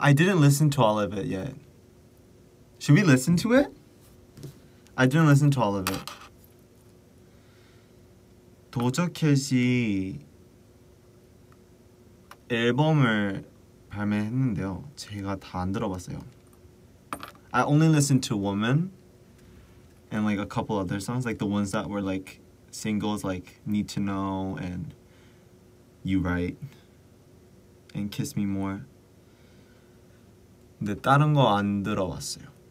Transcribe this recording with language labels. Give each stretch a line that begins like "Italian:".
English: I didn't listen to all of it yet. Should we listen to it? I didn't listen to all of it.
Korean: 도저캣이 앨범을 발매했는데요. 제가 다 안 들어봤어요.
English: I only listened to Woman and like a couple other songs, like the ones that were like singles, like Need to Know and You Right and Kiss Me More.
Korean: 근데 다른 거 안 들어봤어요.